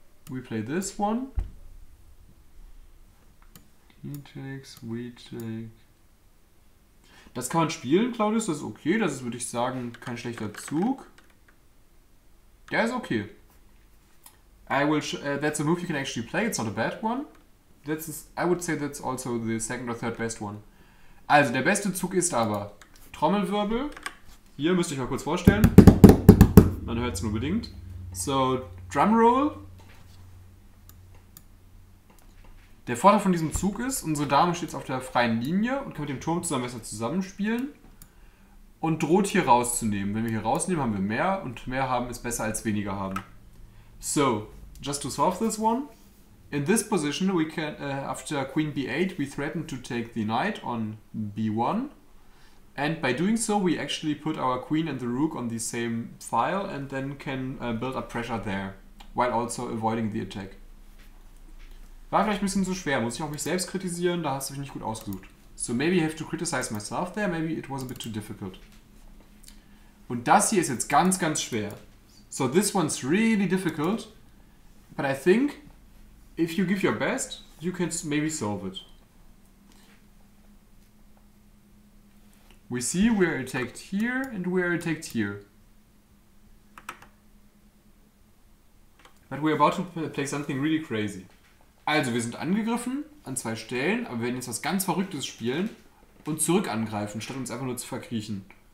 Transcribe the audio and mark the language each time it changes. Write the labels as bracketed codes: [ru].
[en] We play this one. He takes, we take. [de] Das kann man spielen, Claudius, das ist okay. Das ist, würde ich sagen, kein schlechter Zug. Der ist okay. [en] I will. That's a move you can actually play, it's not a bad one. I would say that's also the second or third best one. [de] Also, der beste Zug ist aber Trommelwirbel. Hier müsst ihr euch mal kurz vorstellen. Man hört es nur bedingt. [en] So, Drumroll. [de] Der Vorteil von diesem Zug ist, unsere Dame steht auf der freien Linie und kann mit dem Turm zusammen besser zusammenspielen und droht hier rauszunehmen. Wenn wir hier rausnehmen, haben wir mehr und mehr haben ist besser als weniger haben. [en] So, just to solve this one. In this position, we can after Queen B8, we threaten to take the knight on B1. And by doing so, we actually put our queen and the rook on the same file and then can build up pressure there, while also avoiding the attack. [de] War vielleicht ein bisschen zu schwer, muss ich auch mich selbst kritisieren, da hast du mich nicht gut ausgesucht. [en] So maybe I have to criticize myself there, maybe it was a bit too difficult. [de] Und das hier ist jetzt ganz, ganz schwer. [en] So this one's really difficult, but I think if you give your best, you can maybe solve it. We see we are attacked here and we are attacked here. But we are about to play something really crazy. [de] Also wir sind angegriffen an zwei Stellen, aber wir werden jetzt was ganz Verrücktes spielen und zurück angreifen, statt uns einfach nur zu verkriechen.